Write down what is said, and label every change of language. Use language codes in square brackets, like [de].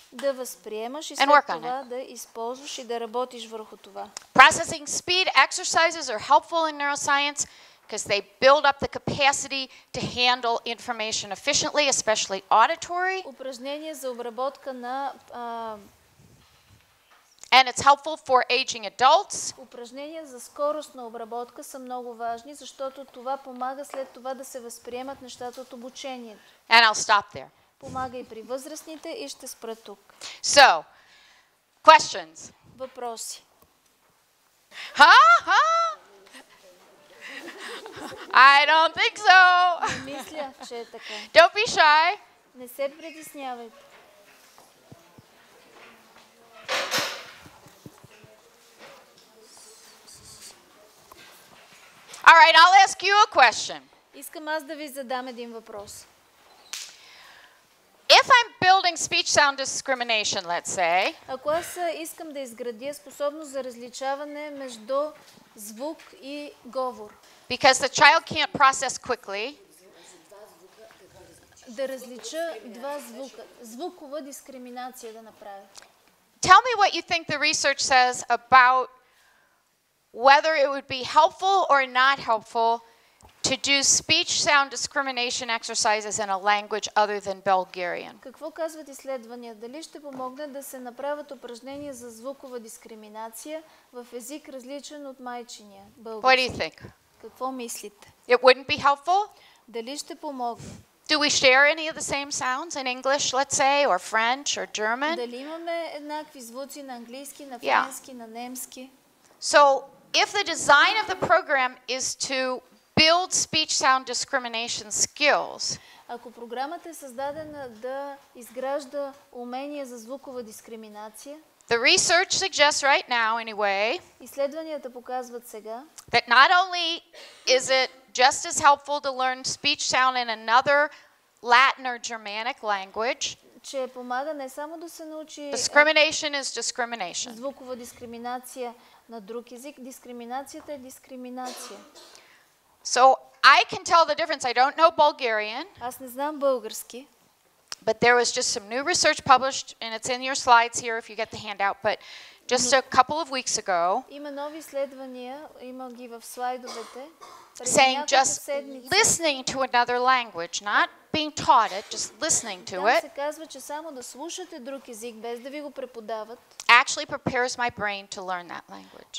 [bg] Да възприемаш и след това да използваш и да работиш върху това. [en] Processing speed exercises are helpful in neuroscience because they build up the capacity to handle information efficiently, especially auditory. [bg] Упражнения за обработка на [en] And it's helpful for aging adults. [bg] Упражнения за скорост на обработка са много важни, защото това помага след това да се възприемат нещата от обучението. [en] And I'll stop there. [bg] Помага и при възрастните и ще спра тук. [en] So, questions. [bg] Въпроси. Ха-ха! [en] I don't think so. [bg] Не мисля, че е така. [en] Don't be shy. [bg] Не се притеснявайте. [en] All right, I'll ask you a question. [bg] Искам аз да ви задам един въпрос. [en] If I'm building speech sound discrimination, let's say. [bg] Ако аз искам да изградя способност за различаване между звук и говор. [en] Because the child can't process quickly. [bg] Да различа два звука, звукова дискриминация да направя. [en] Tell me what you think the research says about whether it would be helpful or not helpful to do speech sound discrimination exercises in a language other than Bulgarian. [bg] Какво казват изследвания? Дали ще помогне да се направят упражнения за звукова дискриминация в език различен от майчиния български? [en] What do you think? [bg] Какво мислите? [en] It wouldn't be helpful? [bg] Дали ще помогне? [en] Do we share any of the same sounds in English, let's say, or French or German? [bg] Дали имаме еднакви звуци на английски, на френски, на немски? [en] So, if the design of the program is to build speech sound discrimination skills. [bg] Ако програмата е създадена да изгражда умения за звукова дискриминация. [en] The research suggests right now anyway. [bg] Изследванията показват сега. [en] That not only is it just as helpful to learn speech sound in another Latin or Germanic language. [bg] Че помага не само да се научи. [en] Discrimination is discrimination. [bg] Звукова дискриминация на друг език, дискриминацията е дискриминация. [en] So I can tell the difference. I don't know Bulgarian. [bg] Аз не знам български. [en] But there was just some new research published and it's in your slides here if you get the handout, but just a couple of weeks ago. [bg] Има нови изследвания, има ги в слайдовете. [en] Saying just listening to another language, not being taught it, just listening to it. [bg] Се казва, че само да слушате друг език без да ви го преподават. [en] Actually prepares my brain to learn that language.